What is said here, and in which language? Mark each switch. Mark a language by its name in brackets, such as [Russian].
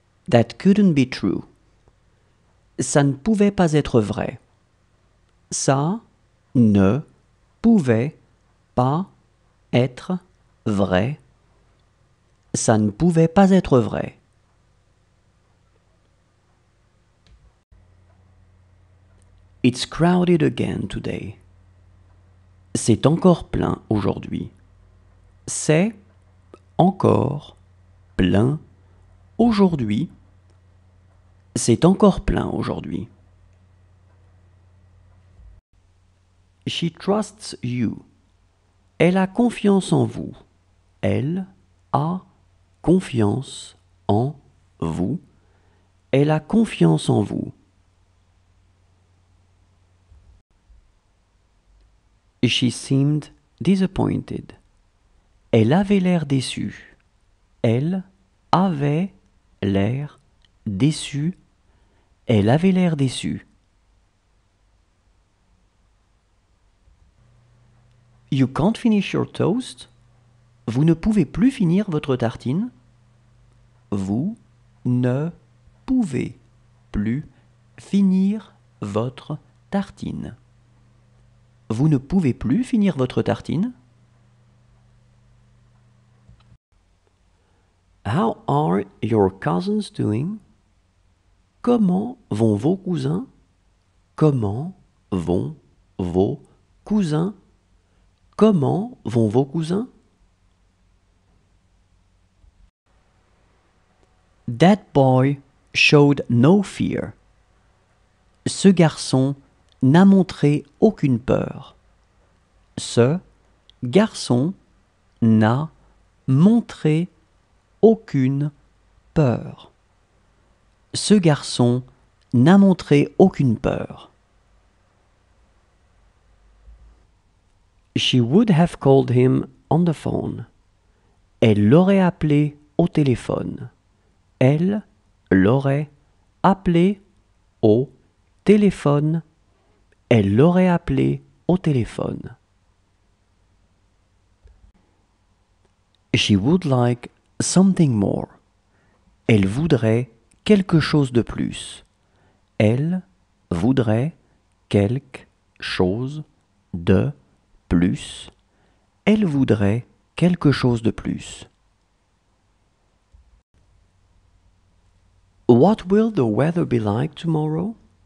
[English] That couldn't be true. [French] Ça ne pouvait pas être vrai. Ça ne pouvait pas être vrai. Ça ne pouvait pas être vrai. [English] It's crowded again today. [French] C'est encore plein aujourd'hui. C'est encore plein aujourd'hui. C'est encore plein aujourd'hui. [English] She trusts you. [French] Elle a confiance en vous. Elle a confiance en vous. Elle a confiance en vous. [English] She seemed disappointed. [French] Elle avait l'air déçue. Elle avait l'air déçue. Elle avait l'air déçue. [English] You can't finish your toast. [French] Vous ne pouvez plus finir votre tartine. Vous ne pouvez plus finir votre tartine. Vous ne pouvez plus finir votre tartine. [English] How are your cousins doing? [French] Comment vont vos cousins? Comment vont vos cousins? Comment vont vos cousins? [English] That boy showed no fear. [French] Ce garçon n'a montré aucune peur. Ce garçon n'a montré aucune peur. Ce garçon n'a montré aucune peur. [English] She would have called him on the phone. [French] Elle l'aurait appelé au téléphone. Elle l'aurait appelé au téléphone. Elle l'aurait appelé au téléphone. [English] She would like something more. [French] Elle voudrait quelque chose de plus. Elle voudrait quelque chose de plus. Elle voudrait quelque chose de plus. [English] What will the weather be like tomorrow?